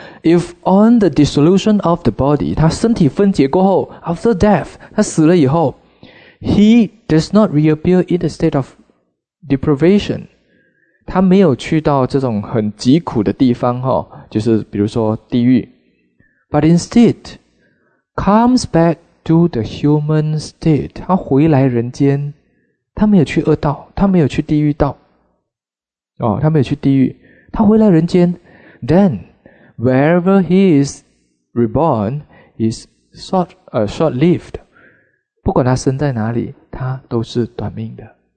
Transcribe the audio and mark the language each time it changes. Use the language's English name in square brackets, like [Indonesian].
[English] If on the dissolution of the body, [Chinese] 他身体分解过后 [English] ,after death, [Chinese] 他死了以后 [English] ,he does not reappear in the state of deprivation. [Chinese] 他没有去到这种很疾苦的地方齁，就是比如说地狱。 [English] But instead, comes back to the human state. [Chinese] 他回来人间，他没有去恶道，他没有去地狱道。哦，他没有去地狱。他回来人间 , [English] then, wherever he is reborn, is short-lived. [Chinese] 不管他生在哪里，他都是短命的。